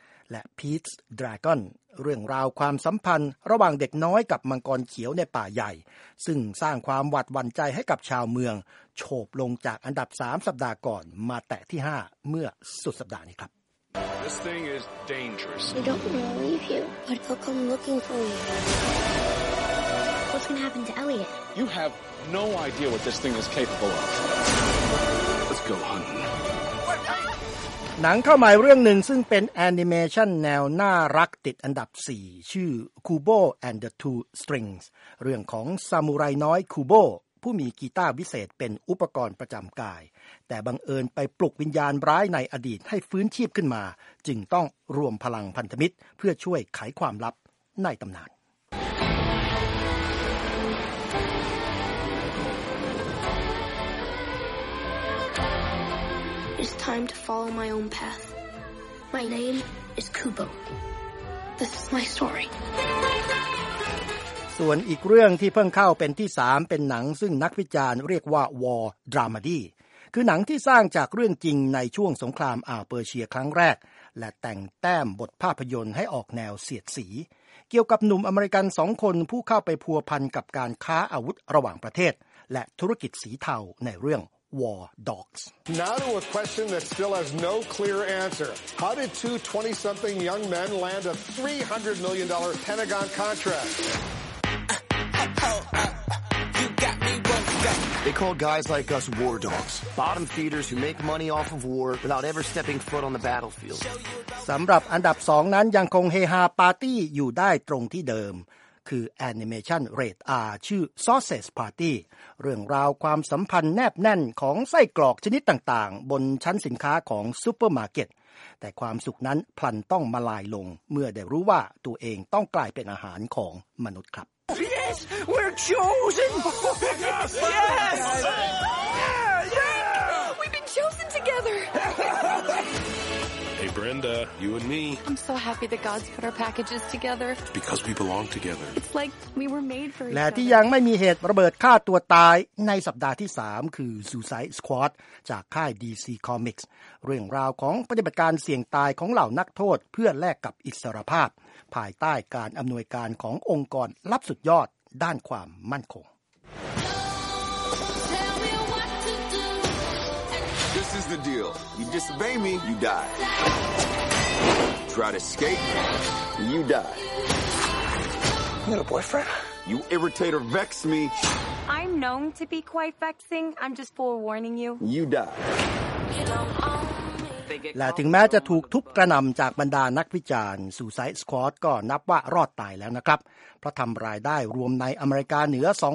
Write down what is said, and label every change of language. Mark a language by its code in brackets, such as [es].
[th] และ Pete's Dragon เรื่องราวความสัมพันธ์ระหว่างเด็กน้อยกับมังกรเขียวในป่าใหญ่ซึ่งสร้างความหวาดหวั่นใจให้กับชาวเมืองโฉบลงจากอันดับ3สัปดาห์ก่อนมาแตะที่5เมื่อสุดสัปดาห์นี้ครับ [en] This thing is dangerous. We don't want to leave you, but they'll come looking for you. What's going to happen to Elliot? You have no idea what this thing is capable of. Let's go hunting. [th] หนังเข้าใหม่เรื่องหนึ่งซึ่งเป็นแอนิเมชันแนวน่ารักติดอันดับ4ชื่อ Kubo and the Two Strings เรื่องของซามูไรน้อยคูโบ ผู้มีกีตาร์วิเศษเป็นอุปกรณ์ประจำกายแต่บังเอิญไปปลุกวิญญาณร้ายในอดีตให้ฟื้นชีพขึ้นมาจึงต้องรวมพลังพันธมิตรเพื่อช่วยไขความลับในตำนาน [en] It's time to follow my own path. My name is Kubo. This is my story. [th] ส่วนอีกเรื่องที่เพิ่งเข้าเป็นที่3เป็นหนังซึ่งนักวิจารณ์เรียกว่า War Dramedy คือหนังที่สร้างจากเรื่องจริงในช่วงสงครามอ่าวเปอร์เซียครั้งแรกและแต่งแต้มบทภาพยนตร์ให้ออกแนวเสียดสีเกี่ยวกับหนุ่มอเมริกัน2คนผู้เข้าไปพัวพันกับการค้าอาวุธระหว่างประเทศและธุรกิจสีเทาในเรื่องWar Dogs. [en] Now to a question that still has no clear answer. How did two 20-something young men land a $300 million Pentagon contract? They call guys like us war dogs. Bottom feeders who make money off of war without ever stepping foot on the battlefield. [th] สำหรับอันดับ2นั้นยังคงเฮฮาปาร์ตี้อยู่ได้ตรงที่เดิมคือแอนิเมชันเรท R ชื่อ Sausage Party เรื่องราวความสัมพันธ์แนบแน่นของไส้กรอกชนิดต่างๆบนชั้นสินค้าของซูเปอร์มาร์เก็ตแต่ความสุขนั้นพลันต้องมาลายลงเมื่อได้รู้ว่าตัวเองต้องกลายเป็นอาหารของมนุษย์ครับ [en] Yes we're chosen Yes Yeah yeah We've been chosen together Hey Brenda, you and me. I'm so happy the gods put our packages together. Because we belong together. It's like we were made for each other. [th] และที่ยังไม่มีเหตุระเบิดฆ่าตัวตายในสัปดาห์ที่3คือ Suicide Squad จากค่าย DC Comics เรื่องราวของปฏิบัติการเสี่ยงตายของเหล่านักโทษเพื่อแลกกับอิสรภาพภายใต้การอำนวยการขององค์กรลับสุดยอดด้านความมั่นคง [en] Is the deal. You disobey me, you die. Try to escape, you die. You got a boyfriend? You irritate or vex me. I'm known to be quite vexing. I'm just forewarning you. You die. [th] และถึงแม้จะถูกทุบกระหน่ำจากบรรดานักวิจารณ์ Suicide Squad ก็นับว่ารอดตายแล้วนะครับเพราะทำรายได้รวมในอเมริกาเหนือ